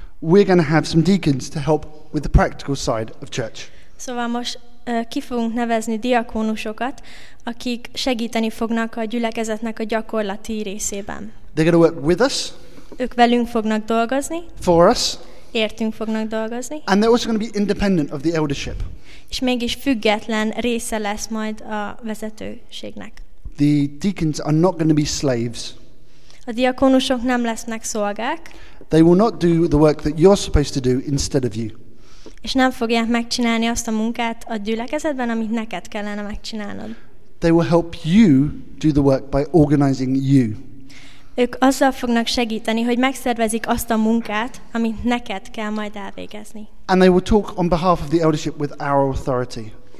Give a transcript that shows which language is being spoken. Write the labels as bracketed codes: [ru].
[en] We're going to have some deacons to help with the practical side of church. [hu] Szóval most ki fogunk nevezni diakónusokat, akik segíteni fognak a gyülekezetnek a gyakorlati részében. [en] They're going to work with us. [hu] Ők velünk fognak dolgozni. [en] For us. [hu] Értünk fognak dolgozni. [en] And they're also going to be independent of the eldership. [hu] És mégis független része lesz majd a vezetőségnek. [en] The deacons are not going to be slaves. [hu] A diakónusok nem lesznek szolgák. [en] They will not do the work that you're supposed to do instead of you. [hu] És nem fogják megcsinálni azt a munkát a gyülekezetben, amit neked kellene megcsinálnod. [en] They will help you do the work by organizing you. [hu] Ők azzal fognak segíteni, hogy megszervezik azt a munkát, amit neked kell majd elvégezni. [en] And they will talk on behalf of the eldership with our authority.